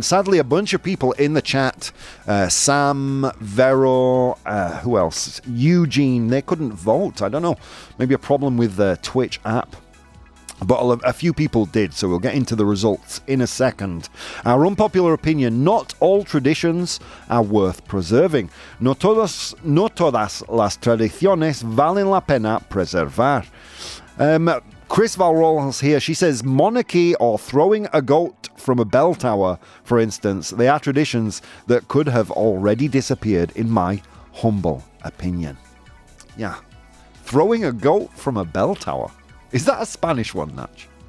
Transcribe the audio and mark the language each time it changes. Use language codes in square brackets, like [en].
[en] Sadly, a bunch of people in the chat, Sam, Vero, who else? Eugene, they couldn't vote. I don't know. Maybe a problem with the Twitch app. But a few people did, so we'll get into the results in a second. Our unpopular opinion, not all traditions are worth preserving. [es] No todas las tradiciones valen la pena preservar. [en] Chris Valrolls here, she says, monarchy or throwing a goat from a bell tower, for instance, they are traditions that could have already disappeared, in my humble opinion. Yeah. Throwing a goat from a bell tower. Is that a Spanish one, Natch?